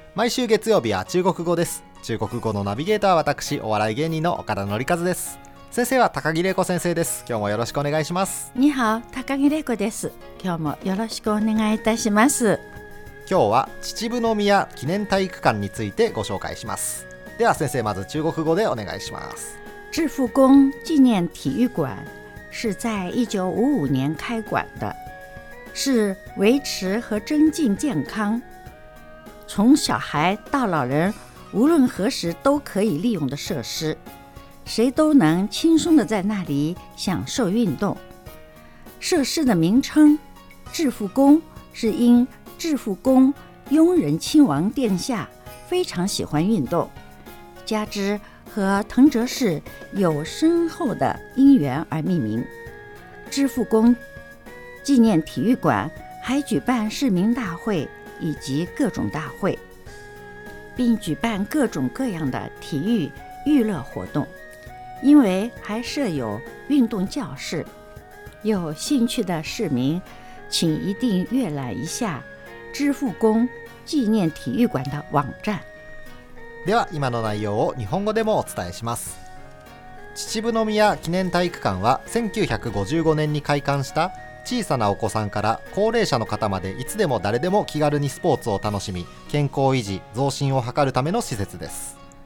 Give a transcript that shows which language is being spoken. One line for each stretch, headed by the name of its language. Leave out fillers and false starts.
Japanese: 毎週月曜日は中国語です。中国語のナビゲーターは私、お笑い芸人の岡田紀一です。先生は高木玲子先生です。今日もよろしくお願いします。你好、高木玲子です。今日もよろしくお願いいたします。今日は秩父の宮記念体育館についてご紹介します。では先生、まず中国語でお願いします。
Chinese: 致富宫纪念体育館是在1955年开馆的，是维持和增进健康，从小孩到老人，无论何时都可以利用的设施，谁都能轻松地在那里享受运动。设施的名称致富宫是因致富宫雍仁亲王殿下非常喜欢运动，加之和藤泽市有深厚的因缘而命名。致富宫纪念体育馆还举办市民大会以及各种大会，并举办各种各样的体育娱乐活动，因为还设有运动教室，有兴趣的市民请一定阅览一下致富宫纪念体育馆的网站。
Japanese: では今の内容を日本語でもお伝えします。秩父宮記念体育館は1955年に開館した、小さなお子さんから高齢者の方までいつでも誰でも気軽にスポーツを楽しみ、健康維持増進を図るための施設です。